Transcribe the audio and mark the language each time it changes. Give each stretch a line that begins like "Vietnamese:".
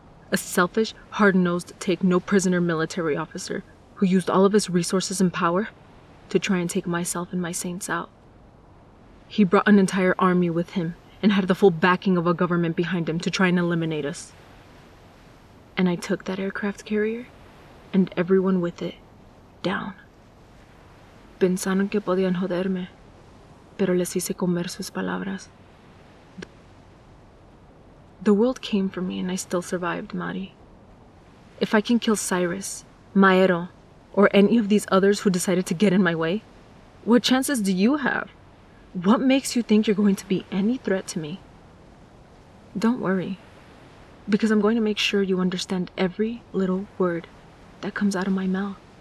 English: A selfish, hard-nosed, take-no-prisoner military officer who used all of his resources and power to try and take myself and my saints out. He brought an entire army with him and had the full backing of a government behind him to try and eliminate us. And I took that aircraft carrier and everyone with it down.
Spanish: Pensaron que podían joderme, pero les hice comer sus palabras.
English: The world came for me and I still survived, Mari. If I can kill Cyrus, Maero, or any of these others who decided to get in my way, what chances do you have? What makes you think you're going to be any threat to me? Don't worry, because I'm going to make sure you understand every little word that comes out of my mouth.